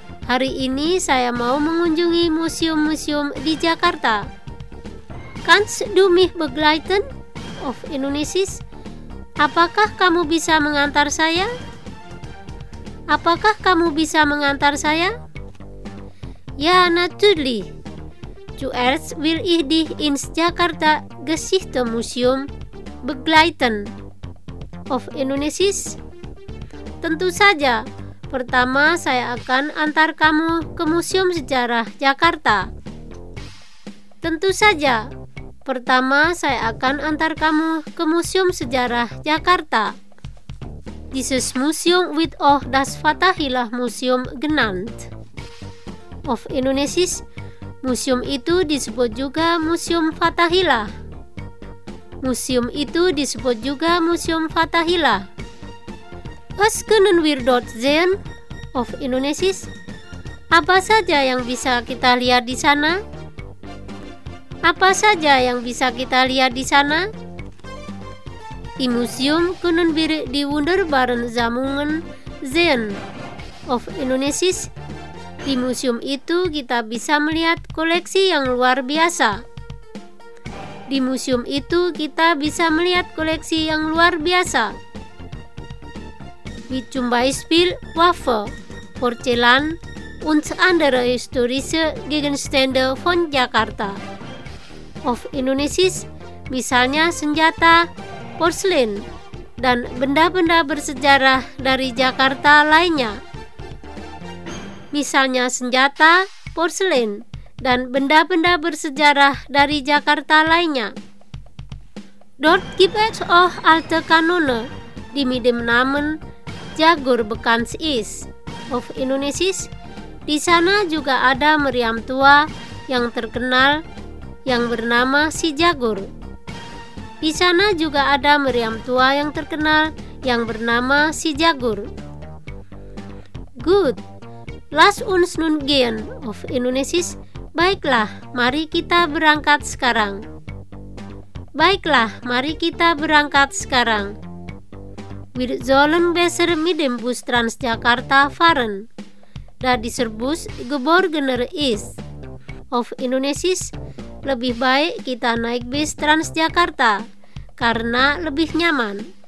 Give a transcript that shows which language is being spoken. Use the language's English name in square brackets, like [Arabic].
[Indonesian] Hari ini saya mau mengunjungi museum-museum di Jakarta. [German] Kannst du mich begleiten? Auf Indonesisch. [Indonesian] Apakah kamu bisa mengantar saya? apakah kamu bisa mengantar saya? Ya, natürlich. [German] Zuerst will ich dich ins Jakarta Geschichtsmuseum begleiten. Auf Indonesisch? [Indonesian] Tentu saja. Pertama, saya akan antar kamu ke Museum Sejarah Jakarta. Tentu saja. Pertama, saya akan antar kamu ke Museum Sejarah Jakarta. [German] Dieses Museum wird auch das Fathahilah Museum genannt. Auf Indonesisch, [Indonesian] museum itu disebut juga Museum Fathahilah. Museum itu disebut juga Museum Fathahilah. [German] Was können wir dort sehen? Auf Indonesisch, [Indonesian] apa saja yang bisa kita lihat di sana? Apa saja yang bisa kita lihat di sana? [German] Im Museum können wir die wunderbaren Sammlungen sehen. Auf Indonesisch, [Indonesian] di museum itu kita bisa melihat koleksi yang luar biasa. Di museum itu kita bisa melihat koleksi yang luar biasa. [German] Wie zum Beispiel Waffe, Porzellan und andere historische Gegenstände von Jakarta. [Indonesian] Of Indonesis, misalnya senjata, porselen, dan benda-benda bersejarah dari Jakarta lainnya. Misalnya senjata, porselen, dan benda-benda bersejarah dari Jakarta lainnya. [German] Dort gibt es auch alte Kanone, die mit dem Namen Jagur Bekans ist. [Indonesian] Of Indonesis, di sana juga ada meriam tua yang terkenal yang bernama si Jagur. Di sana juga ada meriam tua yang terkenal yang bernama si Jagur. Good. [German] Lass uns nun gehen. Auf Indonesisch. [Indonesian] Baiklah, mari kita berangkat sekarang. Baiklah, mari kita berangkat sekarang. [German] Wir sollen besser mit dem Bus Transjakarta fahren. Da dieser Bus geborgener ist. Auf Indonesisch. [Indonesian] Lebih baik kita naik bis Transjakarta karena lebih nyaman.